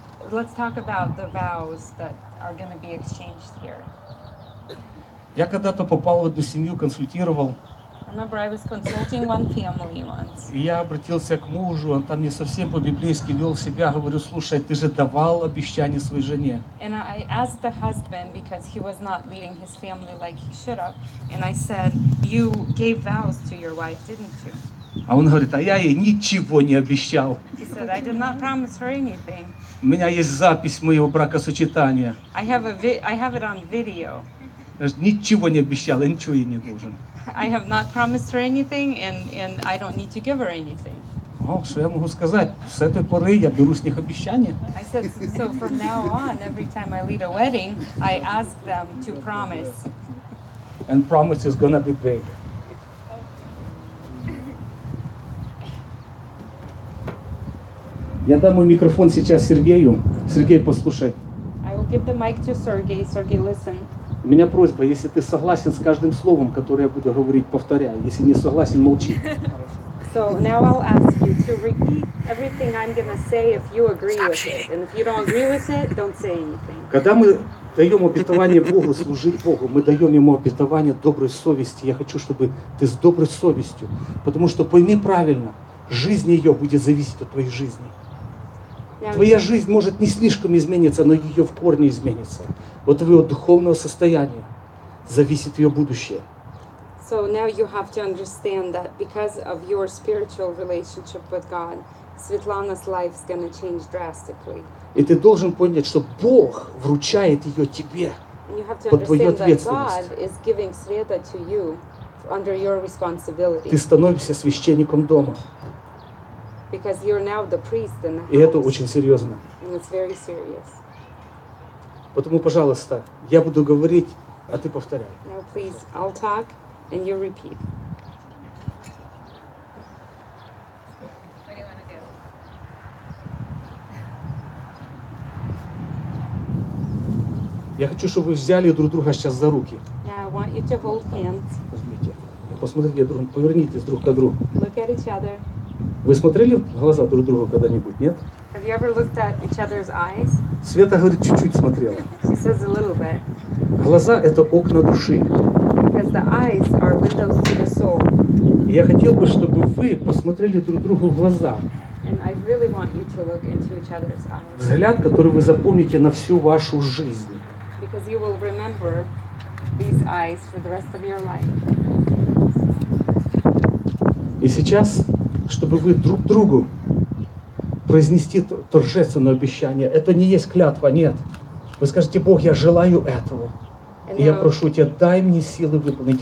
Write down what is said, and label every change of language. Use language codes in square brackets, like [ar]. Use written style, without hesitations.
[en] Let's talk about the vows that are going to be exchanged here. [ru] Я когда-то попал в одну семью, консультировал. [en] Remember, I was consulting one family once. [ru] И я обратился к мужу, он там не совсем по-библейски вел себя, говорю, слушай, ты же давал обещание своей жене. [en] And I asked the husband, because he was not leading his family like he should have, and I said, you gave vows to your wife, didn't you? [ru] А он говорит, а я ей ничего не обещал. [en] He said, I did not promise her anything. [ru] У меня есть запись моего бракосочетания. [en] I have it on video. [ru] Ничего не обещал, я ничего ей не должен. [en] I have not promised her anything and I don't need to give her anything. [ru] О, что я могу сказать? С этой поры я беру с них обещания. [en] I said, so from now on, every time I lead a wedding, I ask them to promise. And promise is gonna be big. [ru] Я дам микрофон сейчас Сергею. Сергей, послушай. [en] I will give the mic to Sergey. Sergey, listen. [ru] У меня просьба, если ты согласен с каждым словом, которое я буду говорить, повторяй. Если не согласен, молчи. [en] So now I'll ask you to repeat everything I'm gonna say if you agree with it. And if you don't agree with it, don't say anything. [ru] Когда мы даем обетование Богу, служить Богу, мы даем Ему обетование доброй совести. Я хочу, чтобы ты с доброй совестью. Потому что пойми правильно, жизнь ее будет зависеть от твоей жизни. Твоя жизнь может не слишком измениться, но ее в корне изменится. От твоего духовного состояния зависит ее будущее. [en] So now you have to understand that because of your spiritual relationship with God, Svetlana's life is going to change drastically. [ru] И ты должен понять, что Бог вручает ее тебе под твою ответственность. [en] God is giving Sveta to you under your responsibility. [ru] Ты становишься священником дома. [en] Because you're now the priest in the house. [ru] И это очень серьезно. [en] And it's very serious. [ru] Потому, пожалуйста, я буду говорить, а ты повторяй. [en] Now please, I'll talk and you repeat. What do you want to do? [ru] Я хочу, чтобы вы взяли друг друга сейчас за руки. [en] Now I want you to hold hands. [ru] Возьмите. Посмотрите друг, повернитесь друг к другу. [en] Look at each other. [ru] Вы смотрели в глаза друг друга когда-нибудь, нет? [en] Have you ever looked at each other's eyes? [ru] Света говорит, чуть-чуть смотрела. [en] She says a little bit. [ru] Глаза – это окна души. [en] Because the eyes are windows to the soul. [ru] Я хотел бы, чтобы вы посмотрели друг другу в глаза. [en] And I really want you to look into each other's eyes. [ru] Взгляд, который вы запомните на всю вашу жизнь. [en] Because you will remember these eyes for the rest of your life. [ru] И сейчас, чтобы вы друг другу произнести торжественное обещание. Это не есть клятва, нет. Вы скажете, Бог, я желаю этого. И я прошу тебя, дай мне силы выполнить.